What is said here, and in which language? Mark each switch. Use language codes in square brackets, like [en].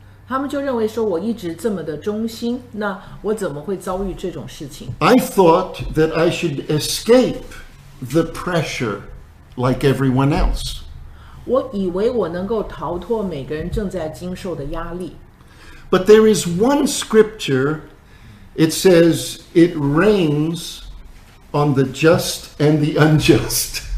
[zh] 他们就认为说我一直这么的忠心，那我怎么会遭遇这种事情？ [en] I thought that I should escape the pressure like everyone else. [zh] 我以为我能够逃脱每个人正在经受的压力。 [en] But there is one scripture, it says it rains on the just and the unjust.